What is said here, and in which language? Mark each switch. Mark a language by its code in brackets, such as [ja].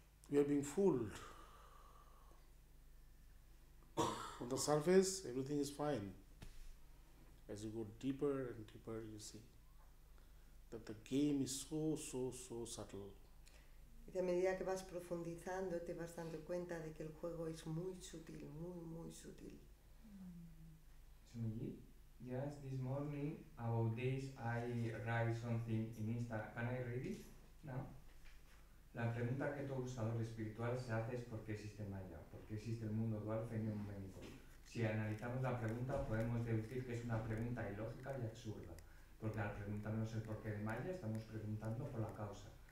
[en] We are being fooled. On the surface, everything is fine. As you go deeper and deeper, you see that the game is so, so, so subtle. [es] Y a medida que vas profundizando, te vas dando cuenta de que el juego es muy sutil, muy, muy sutil. [en] Swamiji, just this morning, about this, I write something in Instagram. Can I read it now? [es] La pregunta que todo buscador espiritual se hace es ¿por qué existe Maya? ¿Por qué existe el mundo dual fenomenico? Si analizamos la pregunta, podemos deducir que es una pregunta ilógica y absurda. Porque al preguntarnos el porqué de Maya, estamos preguntando por la causa.